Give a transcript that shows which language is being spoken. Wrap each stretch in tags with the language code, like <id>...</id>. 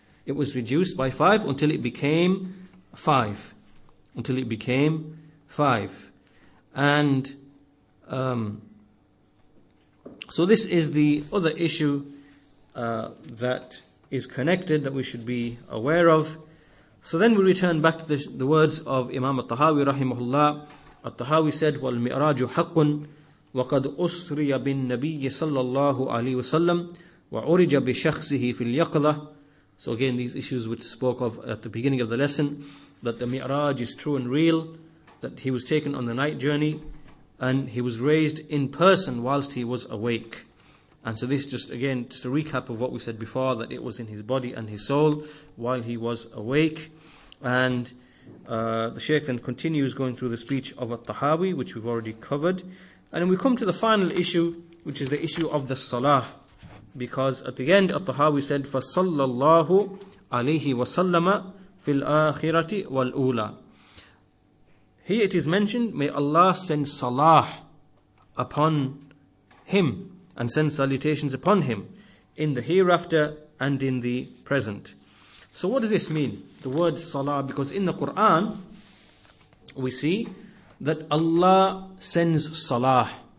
<en>It was reduced by five until it became five. Until it became five. And so this is the other issue that is connected that we should be aware of. So then we return back to the words of Imam al-Tahawi rahimahullah. Al-Tahawi said,</en> <ar>وَالْمِعْرَاجُ حَقٌ وَقَدْ أُسْرِيَ بِالنَّبِيِّ صَلَّى اللَّهُ عَلَيْهِ وَسَلَّمْ وَعُرِجَ بِشَخْصِهِ فِي الْيَقْضَةِ.</ar> <en>So again, these issues which spoke of at the beginning of the lesson, that the Mi'raj is true and real, that he was taken on the night journey, and he was raised in person whilst he was awake. And so this just again, just a recap of what we said before, that it was in his body and his soul while he was awake. And the Shaykh then continues going through the speech of At-Tahawi, which we've already covered. And then we come to the final issue, which is the issue of the Salah. Because at the end, At-Tahawi said,</en> <ar>فَصَلَّ اللَّهُ عَلَيْهِ وَسَلَّمَ فِي الْآخِرَةِ وَالْأُولَى.</ar> <en>Here it is mentioned, may Allah send salah upon him and send salutations upon him in the hereafter and in the present. So what does this mean, the word salah? Because in the Quran, we see that Allah sends salah.</en>